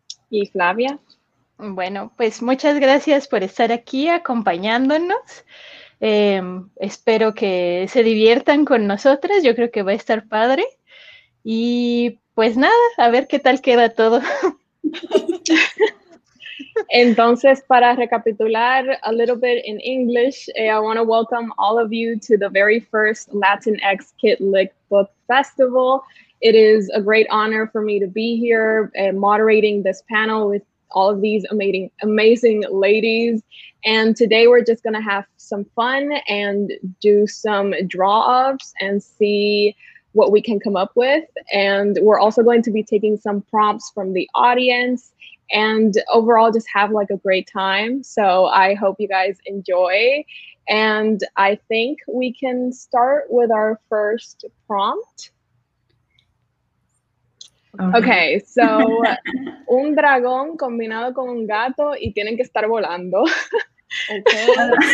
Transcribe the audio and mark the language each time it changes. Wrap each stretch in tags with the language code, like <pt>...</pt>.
<es>¿Y Flavia? Bueno, pues muchas gracias por estar aquí acompañándonos. Espero que se diviertan con nosotras, yo creo que va a estar padre. Y pues nada, a ver qué tal queda todo. Entonces, para recapitular</es> <en>a little bit in English, I want to welcome all of you to the very first Latinx Kidlit Book Festival. It is a great honor for me to be here moderating this panel with all of these amazing ladies. And today we're just going to have some fun and do some draw-offs and see what we can come up with. And we're also going to be taking some prompts from the audience and overall just have like a great time. So I hope you guys enjoy. And I think we can start with our first prompt. Okay, so</en> <es>un dragón combinado con un gato y tienen que estar volando. Okay.</es>